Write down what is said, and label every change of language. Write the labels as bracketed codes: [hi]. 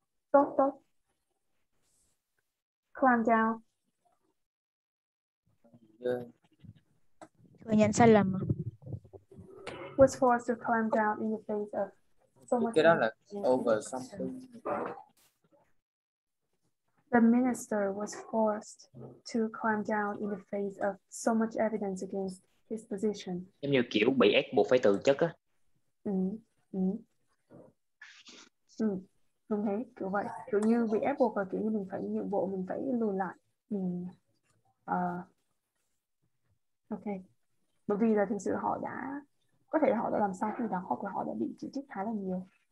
[vi] Tốt. [en] Climb down. [vi] Thừa nhận sai lầm. [en] Was forced to climb down in the face of so much. [vi] Cái đó là [en] over something. The minister was forced to climb down in the face of so much evidence against his position. [vi] Giống như kiểu bị ép buộc phải từ chức á. Đúng thế, kiểu vậy. Kiểu như bị ép buộc và kiểu như mình phải nhượng bộ, mình phải lùi lại. Ok. Bởi vì là thực sự họ đã, có thể là họ đã làm sai cái gì đó, hoặc là họ đã bị chỉ trích khá là nhiều.